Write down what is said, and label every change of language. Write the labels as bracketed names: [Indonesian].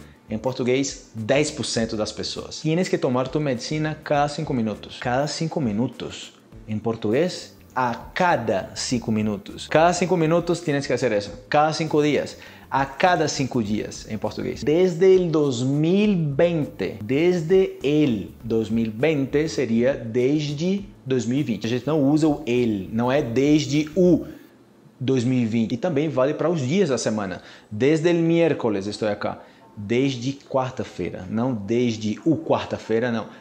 [Portuguese] Em português, 10% das pessoas. [Spanish] Tienes que tomar tu medicina cada 5 minutos. Cada 5 minutos. [Portuguese] Em português, a cada 5 minutos. [Spanish] Cada 5 minutos tienes que hacer eso. Cada 5 dias. [Portuguese] A cada 5 dias, em português. [Spanish] Desde el 2020. Desde el 2020 [Portuguese] seria desde 2020. A gente não usa o el, não é desde o 2020. E também vale para os dias da semana. [Spanish] Desde el miércoles, [Portuguese] estou [Spanish] acá. [Portuguese] Desde quarta-feira, não desde o quarta-feira, não.